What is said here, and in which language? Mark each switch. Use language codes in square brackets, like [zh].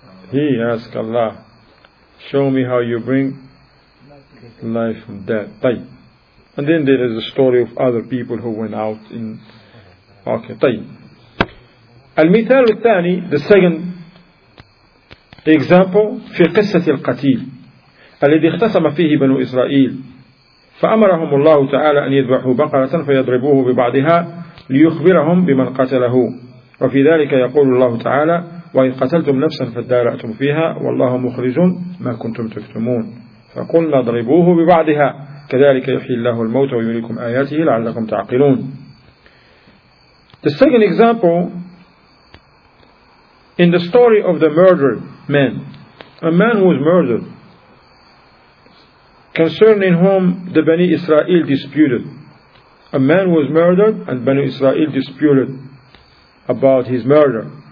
[en] He asked Allah, show me how you bring life from death. And then there is a story of other people who went out in. Okay. [ar] Al-Mithal al-Thani, [en] the second example, [ar] في قصة القتيل الذي اختصم فيه بنو إسرائيل فأمرهم الله تعالى أن يذبحوا بقرة فيضربوه ببعضها ليخبرهم بمن قتله. وفي ذلك يقول الله تعالى وإن قتلتم نفسا فادارأتم فيها والله مخرج ما كنتم تكتمون فقلنا اضربوه ببعضها كذلك يحيي الله الموت ويريكم آياته لعلكم تعقلون. [en] The second example in the story of the murdered man, a man who was murdered, concerning whom the Bani Israel disputed. A man was murdered and Bani Israel disputed about his murder.